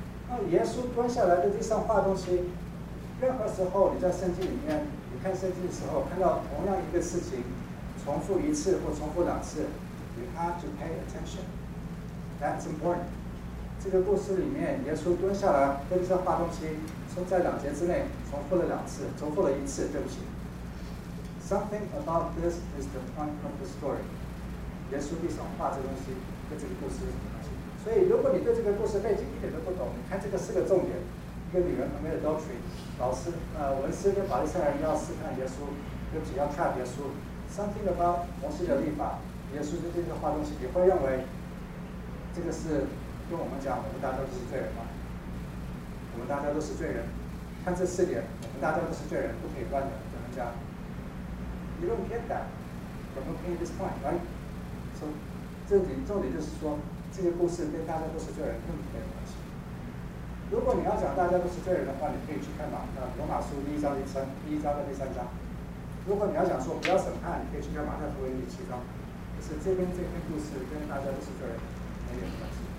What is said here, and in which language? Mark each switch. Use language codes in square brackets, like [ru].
[zh] 那耶稣蹲下来在地上画东西，任何时候你在圣经里面，你看圣经的时候看到同样一个事情重复一次或重复两次， [en] You have to pay attention. That's important. [zh] 这个故事里面耶稣蹲下来在地上画东西，说在两节之内重复了两次，重复了一次，对不起。 [en] Something about this is the point of the story. [zh] 耶稣地上画这东西跟这个故事有什么关系？所以如果你对这个故事背景一点都不懂，你看这个四个重点，一个女人旁边的 adultery， 老师文斯跟法利赛人要试探耶稣，又只要 trap 耶稣， [en] Something about [zh] 摩西的律法，耶稣就对这个画东西，你会认为这个是跟我们讲我们大家都是罪人吗？我们大家都是罪人，看这四点，我们大家都是罪人，不可以乱的，怎么讲？ [en] You don't get that from looking at this point, right? [zh] So 这里重点就是说这个故事跟大家都是罪人根本没有关系。如果你要讲大家都是罪人的话，你可以去看罗马书第一章第三章。如果你要讲说不要审判，你可以去看马太福音第七章。可是这边这篇故事跟大家都是罪人没有关系。